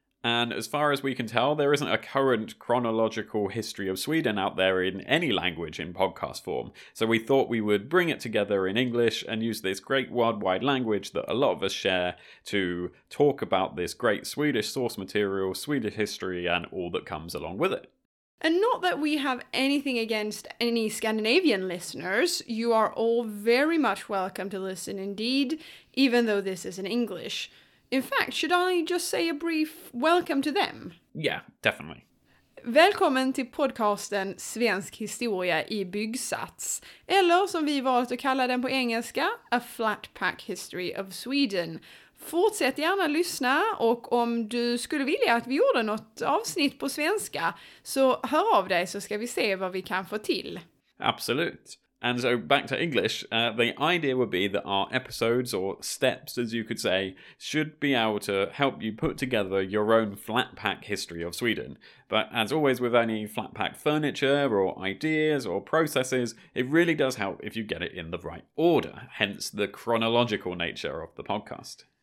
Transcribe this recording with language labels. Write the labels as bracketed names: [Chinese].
[English] And as far as we can tell, there isn't a current chronological history of Sweden out there in any language in podcast form, so we thought we would bring it together in English and use this great worldwide language that a lot of us share to talk about this great Swedish source material, Swedish history, and all that comes along with it. And not that we have anything against any Scandinavian listeners, you are all very much welcome to listen indeed, even though this is in English. In fact, should I just say a brief welcome to them? Yeah, definitely. [Swedish] Välkommen till podcasten Svensk historia i byggsats, eller som vi valt att kalla den på engelska, A Flatpack History of Sweden. Fortsätt gärna lyssna, och om du skulle vilja att vi gjorde något avsnitt på svenska, så hör av dig så ska vi se vad vi kan få till. Absolut. [English] And so back to English, the idea would be that our episodes, or steps as you could say, should be able to help you put together your own Flatpack history of Sweden. But as always with any Flatpack furniture or ideas or processes, it really does help if you get it in the right order, hence the chronological nature of the podcast.